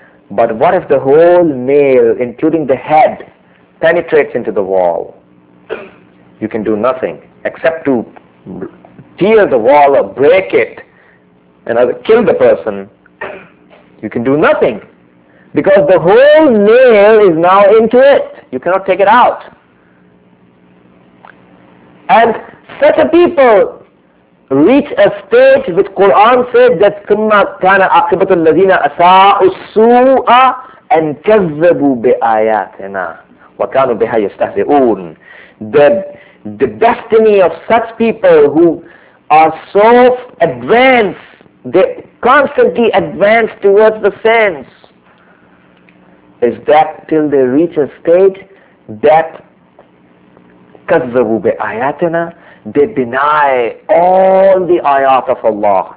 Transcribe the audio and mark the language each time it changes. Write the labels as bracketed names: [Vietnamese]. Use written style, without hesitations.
[English] But what if the whole nail, including the head, penetrates into the wall? You can do nothing except to tear the wall or break it and kill the person. You can do nothing because the whole nail is now into it. You cannot take it out. And such a people reach a stage which Quran said that [Arabic] ثُمَّ كَانَ عَقِبَةُ الَّذِينَ أَسَاءُ السُّوءَ أَنْ كَذَّبُوا بِآيَاتِنَا وَكَانُوا بِهَا يَسْتَهْزِئُونَ. [English] The destiny of such people who are so advanced, they constantly advance towards the sins, is that till they reach a stage that [Arabic] كَذَّبُوا بِآيَاتِنَا, [English] they deny all the ayat of Allah.